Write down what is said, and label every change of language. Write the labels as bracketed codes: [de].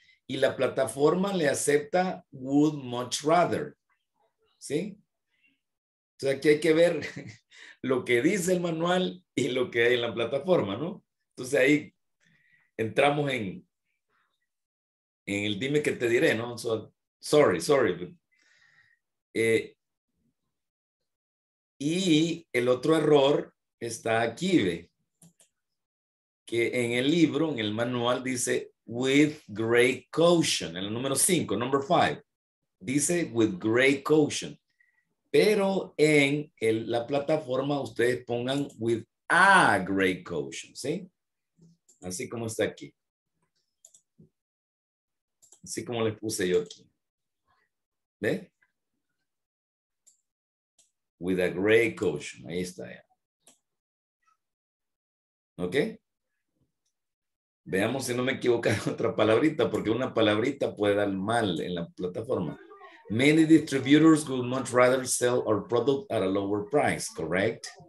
[es] Y la plataforma le acepta [en] would much rather. [es] ¿Sí? Entonces aquí hay que ver lo que dice el manual y lo que hay en la plataforma, ¿no? Entonces ahí entramos en el dime que te diré, ¿no? [en] So, sorry, sorry. [es] Y el otro error está aquí, ¿ve? Que en el libro, en el manual dice [en] with great caution, [es] el número 5, [en] number 5, [es] dice with great caution. Pero en la plataforma ustedes pongan [en] with a great caution, [es] ¿sí? Así como está aquí. Así como les puse yo aquí. ¿Ve? [en] With a great caution. [es] Ahí está ya. ¿Ok? Veamos si no me equivoco en otra palabrita, porque una palabrita puede dar mal en la plataforma. [en] Many distributors would much rather sell our product at a lower price, correct?